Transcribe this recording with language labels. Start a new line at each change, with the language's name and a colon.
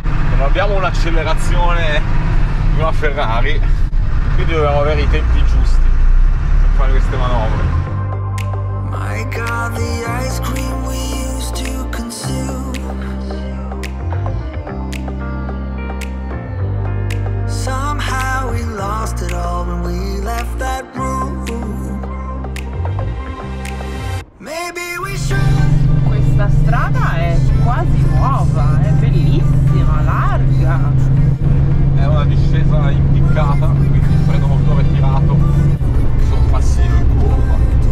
Italian: Non abbiamo un'accelerazione di una Ferrari, quindi dobbiamo avere i tempi giusti per fare queste manovre.
English: My God, the ice cream we used to consume. Somehow we lost it all when we left that room. Maybe we should.
Italian: Questa strada è quasi nuova, è bellissima, larga. È una discesa impiccata, quindi il freno motore tirato. Sono passino in curva.